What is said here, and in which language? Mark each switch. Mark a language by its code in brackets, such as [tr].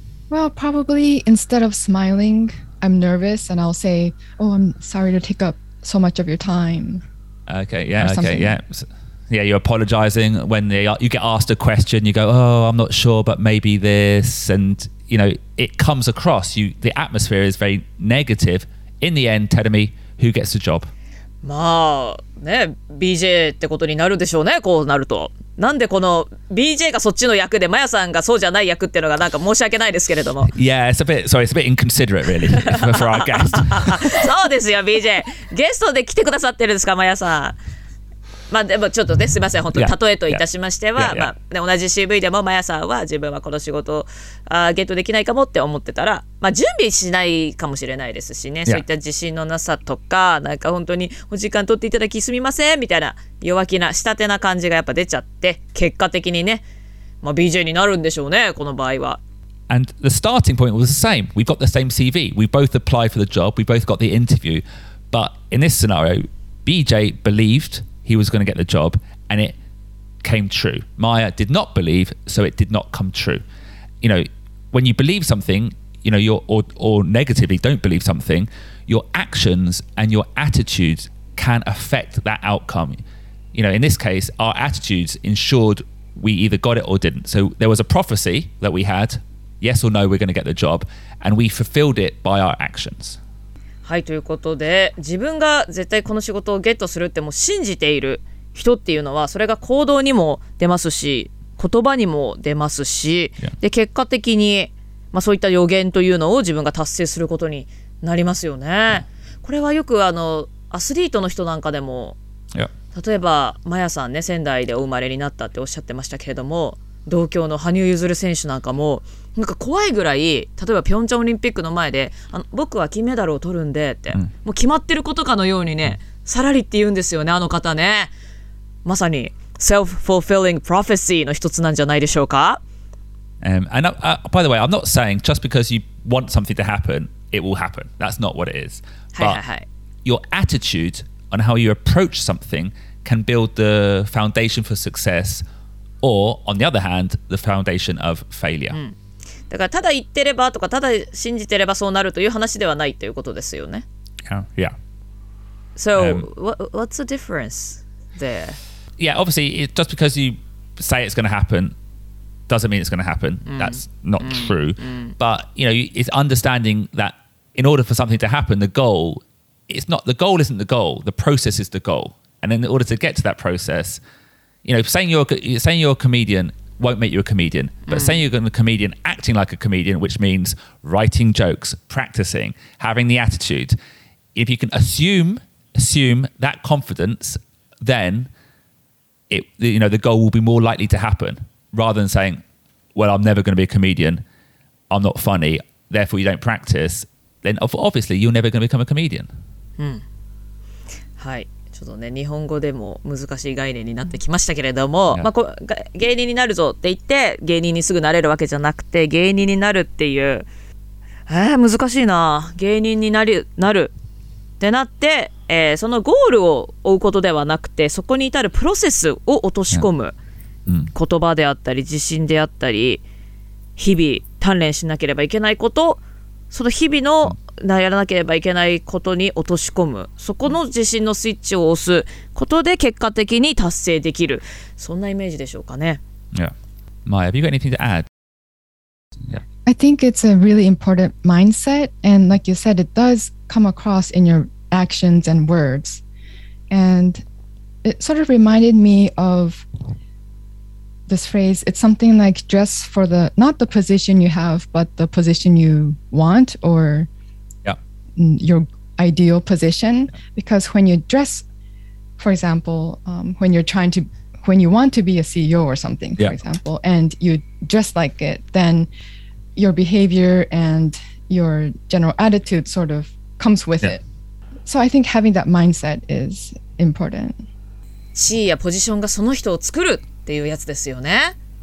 [en] Well, probably instead of smiling, I'm nervous and I'll say, oh, I'm sorry to take up so much of your time. Okay, yeah, okay, yeah. So, yeah, you're apologizing when you get asked a question, you go, oh, I'm not sure, but maybe this, and you know, it comes across, the atmosphere is very negative. In the end, tell me who gets the job. [ja] まあね、BJ ってことになるでしょうね。こうなると、なんでこの BJ がそっちの役で、マヤさんがそうじゃない役っていうのがなんか申し訳ないですけれども。 [en] Yeah, it's a bit, sorry, it's a bit inconsiderate, really, for our guest. [ja] そうですよ、BJ。ゲストで来てくださってるんですか、マヤさん。まあでもちょっとね、すみません、本当に例えといたしましては、同じ CV でもマヤさんは自分はこの仕事をゲットできないかもって思ってたら、まあ、準備しないかもしれないですしね、そういった自信のなさとか、なんか本当にお時間取っていただきすみませんみたいな弱気な仕立てな感じがやっぱ出ちゃって、結果的にね、まあ、BJ になるんでしょうね、この場合は。 [en] And the starting point was the same. We've got the same CV. We both applied for the job. We both got the interview. But in this scenario, BJ believed... He was going to get the job and it came true. Maya did not believe, so it did not come true. You know, when you believe something, you know, or negatively don't believe something, your actions and your attitudes can affect that outcome. You know, in this case, our attitudes ensured we either got it or didn't. So there was a prophecy that we had, yes or no, we're going to get the job, and we fulfilled it by our actions. [ja] はい、ということで、自分が絶対この仕事をゲットするってもう信じている人っていうのは、それが行動にも出ますし、言葉にも出ますし、で結果的に、まあ、そういった予言というのを自分が達成することになりますよね。これはよくアスリートの人なんかでも、例えばマヤさんね、仙台でお生まれになったっておっしゃってましたけれども、同郷の羽生結弦選手なんかもなんか怖いぐらい、例えばピョンチャンオリンピックの前で僕は金メダルを取るんでって、もう決まってることかのようにね、さらりって言うんですよね、あの方ね。まさに self-fulfilling prophecy の一つなんじゃないでしょうか。 [en] By the way, I'm not saying just because you want something to happen, it will happen. That's not what it is. But your attitude on how you approach something can build the foundation for success or, on the other hand, the foundation of failure.、 [ja] だからただ言ってればとかただ信じてればそうなるという話ではないということですよね。 [en] Yeah. Yeah. So, what's the difference there? Yeah, obviously, just because you say it's going to happen doesn't mean it's going to happen.、That's not true.、But, you know, it's understanding that in order for something to happen, the goal isn't the goal. The process is the goal. And in order to get to that process, you know, saying you're a comedian,won't make you a comedian. But saying you're going to be a comedian, acting like a comedian, which means writing jokes, practicing, having the attitude. If you can assume that confidence, then the goal will be more likely to happen rather than saying, well, I'm never going to be a comedian. I'm not funny. Therefore, you don't practice. Then obviously, you're never going to become a comedian. [ja] はい。ちょっとね、日本語でも難しい概念になってきましたけれども、まあ、芸人になるぞって言って芸人にすぐなれるわけじゃなくて、芸人になるっていう、難しいな、芸人になる、なるってなって、そのゴールを追うことではなくて、そこに至るプロセスを落とし込む、言葉であったり自信であったり、日々鍛錬しなければいけないこと、その日々のやらなければいけないことに落とし込む、そこの自信のスイッチを押すことで結果的に達成できる、そんなイメージでしょうかね。 [en] Yeah. Maya, have you got anything to add? Yeah. I think it's a really important mindset, and like you said, it does come across in your actions and words. And it sort of reminded me of this phrase. It's something like dress for the not the position you have, but the position you want or your ideal position, because when you dress, for example, when you're trying to, when you want to be a CEO or something, for example, and you dress like it, then your behavior and your general attitude sort of comes with it. So I think having that mindset is important. [ja] 地位やポジションがその人を作るっていうやつですよね。